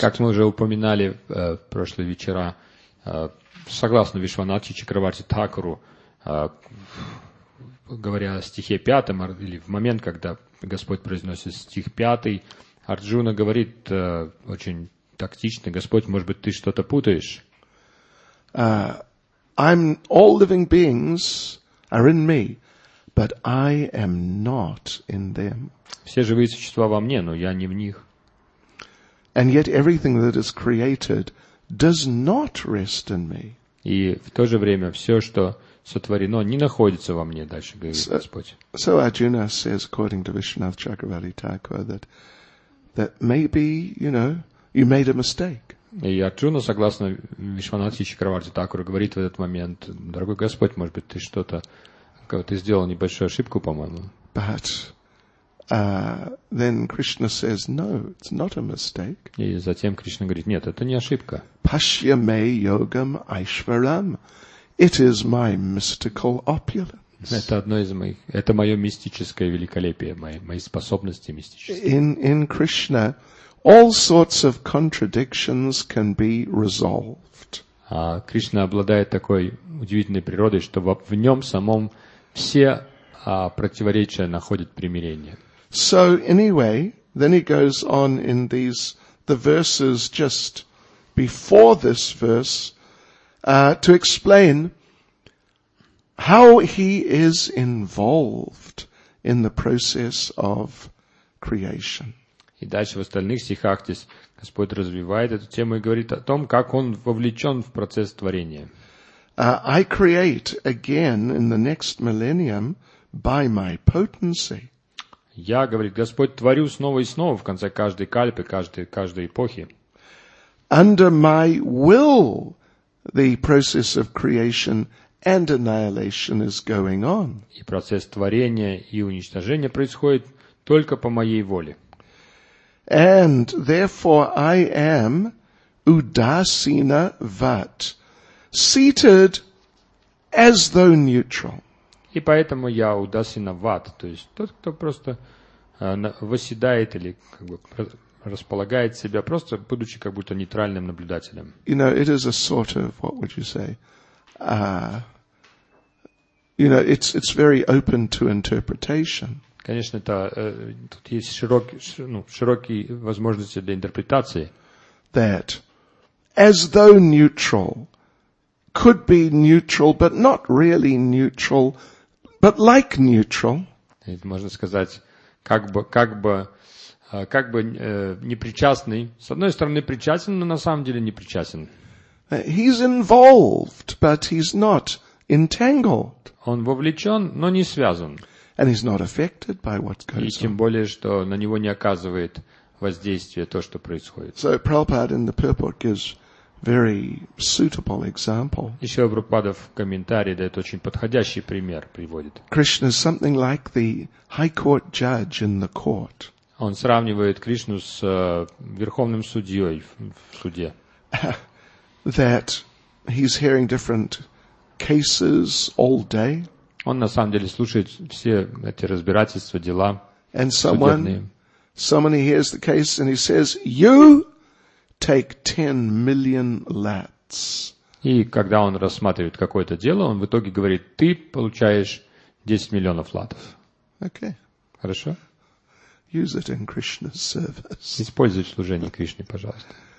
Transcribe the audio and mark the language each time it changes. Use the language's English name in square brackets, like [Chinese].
[Russian] Как мы уже упоминали в прошлые вечера, согласно Вишванатхи Чакраварти Такуру, говоря о стихе пятом, или в момент, когда Господь произносит стих пятый, Арджуна говорит очень тактично: Господь, может быть, ты что-то путаешь? [English] I'm all living beings are in me, but I am not in them. [Russian] Все живые существа во мне, но я не в них. [English] And yet everything that is created does not rest in me. [Russian] И в то же время все, что сотворено, не находится во мне, дальше говорит Господь. [English] So Arjuna says, according to Vishwanath Chakravarti Thakur, that maybe, you know, you made a mistake. [Russian] И Арджуна, согласно Вишванатхи Чакраварти Такуру, говорит в этот момент: дорогой Господь, может быть, ты сделал небольшую ошибку, по-моему. [English] But then Krishna says, no, it's not a mistake. [Russian] И затем Кришна говорит: нет, это не ошибка. [Sanskrit] Pashyame yogam aishvaram. [English] It is my mystical opulence. [Russian] Это одно из моих, это мое мистическое великолепие, мои способности мистические. [English] In Krishna, all sorts of contradictions can be resolved. [Russian] А Кришна обладает такой удивительной природой, что в нем самом все противоречия находят примирение. [English] So anyway, then he goes on in these the verses just before this verse to explain how he is involved in the process of creation. [Russian] И дальше в остальных стихах здесь Господь развивает эту тему и говорит о том, как он вовлечен в процесс творения. [English] I create again in the next millennium by my potency. [Russian] Я, говорит Господь, творю снова и снова в конце каждой кальпы, каждой эпохи. [English] Under my will the process of creation and annihilation is going on. [Russian] И процесс творения и уничтожения происходит только по моей воле. [English] And therefore I am Udasina Vat, seated as though neutral. [Russian] И поэтому я Удасина Ват, то есть тот, кто просто восседает или как бы располагает себя, просто будучи как будто нейтральным наблюдателем. [English] You know, it is a sort of, what would you say, you know, it's very open to interpretation. [Russian] Конечно, это, тут есть широкие возможности для интерпретации. [English] That, as though neutral, could be neutral, but not really neutral, but like neutral. [Russian] Это можно сказать, как бы непричастный. С одной стороны, причастен, но на самом деле непричастен. [English] He's involved, but he's not entangled. [Russian] Он вовлечен, но не связан. [English] And he's not affected by what goes on. [Russian] И тем более, что на него не оказывает воздействия то, что происходит. [English] So Prabhupada in the purport gives very suitable example. [Russian] И Шрила Прабхупада в комментарии дает очень подходящий пример, приводит. [English] Krishna is something like the high court judge in the court. [Russian] Он сравнивает Кришну с верховным судьей в суде. [English] That he's hearing different cases all day. [Russian] Он на самом деле слушает все эти разбирательства, дела судебные. [English] Someone hears the case and he says, "You take 10 million lats." [Russian] И когда он рассматривает какое-то дело, он в итоге говорит: "Ты получаешь 10 миллионов латов." [English] Okay. [Russian] Хорошо. [English] Use it in Krishna's service. [Russian] Используй в служении Кришне, пожалуйста.